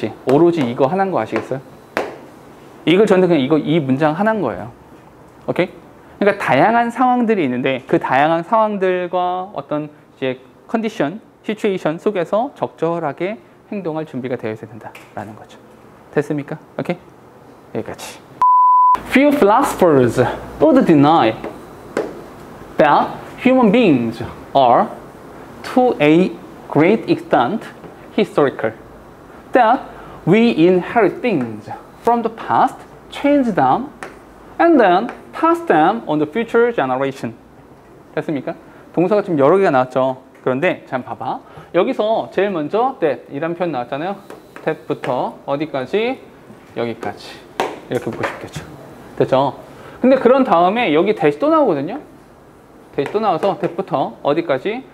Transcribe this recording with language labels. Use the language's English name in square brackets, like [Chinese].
[Korean] 오로지 이거 하나인 거 아시겠어요? 이걸 저한테 그냥 이거 이 문장 하나인 거예요. 오케이? 그러니까 다양한 상황들이 있는데 그 다양한 상황들과 어떤 이제 컨디션, 시츄에이션 속에서 적절하게 행동할 준비가 되어야 된다라는 거죠. 됐습니까? 오케이? 여기까지. [English] Few philosophers would deny that human beings are to a great extent historical. That we inherit things from the past, change them, and then pass them on the future generation. [Korean] 됐습니까? 동사가 지금 여러 개가 나왔죠. 그런데 잠 봐봐. 여기서 제일 먼저 that 이란 표현 나왔잖아요. that부터 어디까지? 여기까지. 이렇게 보고 싶겠죠. 됐죠? 근데 그런 다음에 여기 that이 또 나오거든요. that이 또 나와서 that부터 어디까지?